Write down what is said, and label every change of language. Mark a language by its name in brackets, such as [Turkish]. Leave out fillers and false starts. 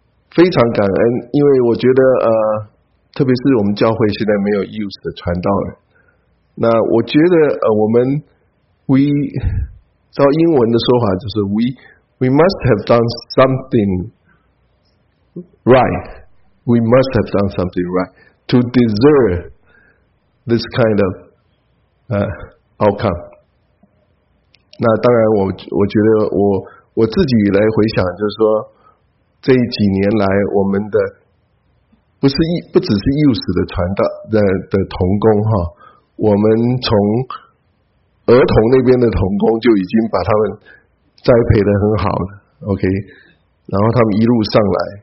[Chinese] 非常感恩，因为我觉得特别是我们教会现在没有 Youth 的传道人。那我觉得我们照英文的说法就是 [English] We must have done something right. We must have done something right to deserve this kind of outcome. [Chinese] 那当然我觉得我自己来回想，就是说这几年来我们的不只是 youth 的传道的同工哈，我们从儿童那边的同工就已经把他们栽培得很好了 ，OK， 然后他们一路上来，